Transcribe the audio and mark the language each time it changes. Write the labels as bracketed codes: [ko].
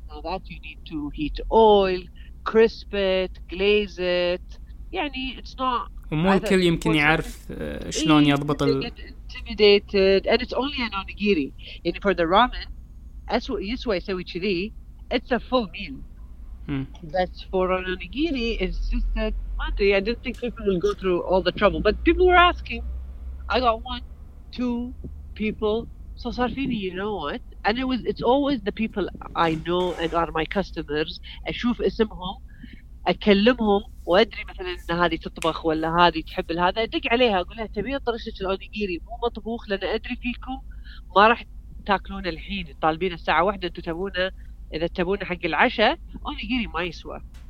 [en] Now that you need to heat oil, crisp it, glaze it. يعني it's not. [ar] ومو الكل يمكن يعرف شلون يضبط ال. [en] Intimidated and it's only an onigiri. يعني for the ramen, يسوى يسوي كذي. It's a full meal. But for an onigiri, it's just that Monday. I didn't think people will go through all the trouble, but people were asking. I got one, two people. So Sarfini, you know what? And it's always the people I know and are my customers. [ar] أشوف اسمهم، أكلمهم، وأدري مثلاً إن هذه تطبخ ولا هذه تحب هذا. أدق عليها أقولها تبي طرشة الأونيجيري مو مطبوخ لأن أدري فيكم ما راح تأكلون الحين. طالبين الساعة واحدة أنتوا تبون إذا تبون حق العشاء أونيجيري ما يسوى.